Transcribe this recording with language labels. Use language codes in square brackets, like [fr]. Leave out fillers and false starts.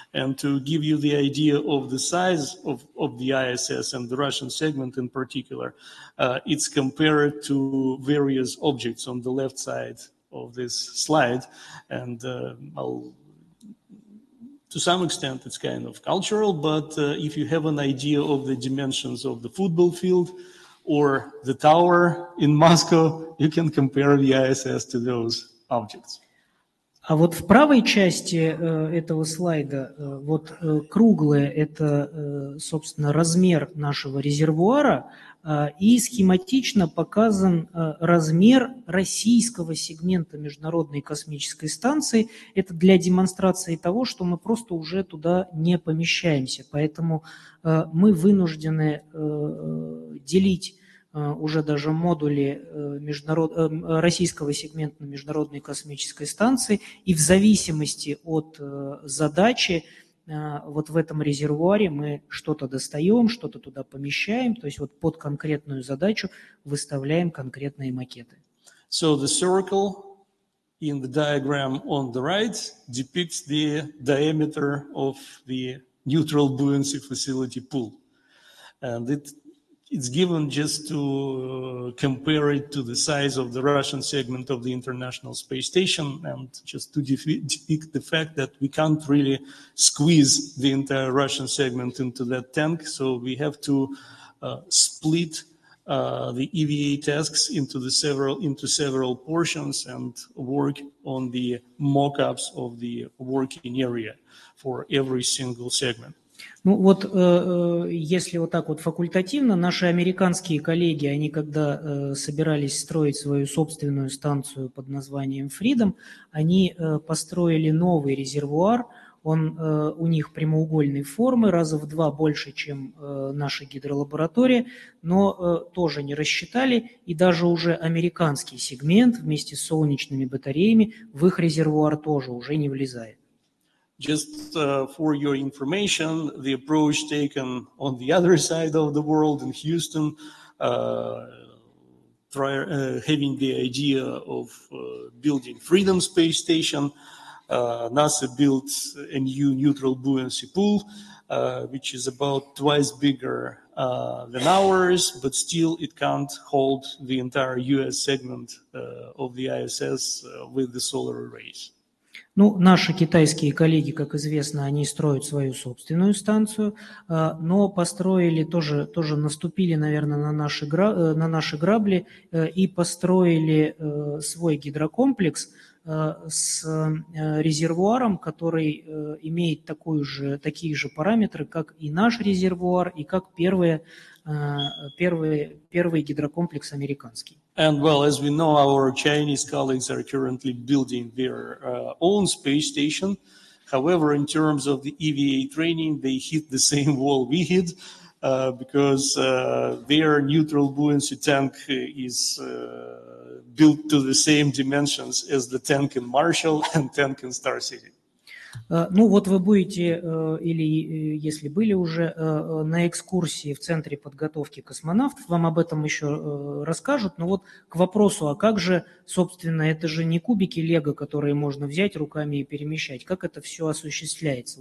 [en] And to give you the idea of the size of the ISS and the Russian segment in particular, it's compared to various objects on the left side of this slide, and I'll, to some extent it's kind of cultural, but if you have an idea of the dimensions of the football field or the tower in Moscow, you can compare the ISS to those objects. [ru] А вот в правой части этого слайда, вот круглое – это, собственно, размер нашего резервуара, и схематично показан размер российского сегмента Международной космической станции. Это для демонстрации того, что мы просто уже туда не помещаемся. Поэтому мы вынуждены делить уже даже модули российского сегмента Международной космической станции, и в зависимости от задачи вот в этом резервуаре мы что-то достаем, что-то туда помещаем, то есть вот под конкретную задачу выставляем конкретные макеты. [en] So the circle in the diagram on the right depicts the diameter of the neutral buoyancy facility pool. And it's given just to compare it to the size of the Russian segment of the International Space Station, and just to depict the fact that we can't really squeeze the entire Russian segment into that tank, so we have to split the EVA tasks into several portions and work on the mock-ups of the working area for every single segment. [ru] Ну вот, если вот так вот факультативно, наши американские коллеги, они когда собирались строить свою собственную станцию под названием Freedom, они построили новый резервуар, он у них прямоугольной формы, раза в два больше, чем наша гидролаборатория, но тоже не рассчитали, и даже уже американский сегмент вместе с солнечными батареями в их резервуар тоже уже не влезает. [en] Just for your information, the approach taken on the other side of the world in Houston, having the idea of building Freedom Space Station, NASA built a new neutral buoyancy pool, which is about twice bigger than ours, but still it can't hold the entire US segment of the ISS with the solar arrays. [ru] Ну, наши китайские коллеги, как известно, они строят свою собственную станцию, но построили тоже, тоже наступили, наверное, на наши грабли и построили свой гидрокомплекс с резервуаром, который имеет такие же параметры, как и наш резервуар, и как первый гидрокомплекс американский. [en] And well, as we know, our Chinese colleagues are currently building their own space station. However, in terms of the EVA training, they hit the same wall we hit, because their neutral buoyancy tank is built to the same dimensions as the tank in Marshall and tank in Star City. [ru] Ну вот вы будете, или если были уже на экскурсии в Центре подготовки космонавтов, вам об этом еще расскажут, но вот к вопросу, а как же, собственно, это же не кубики Лего, которые можно взять руками и перемещать, как это все осуществляется?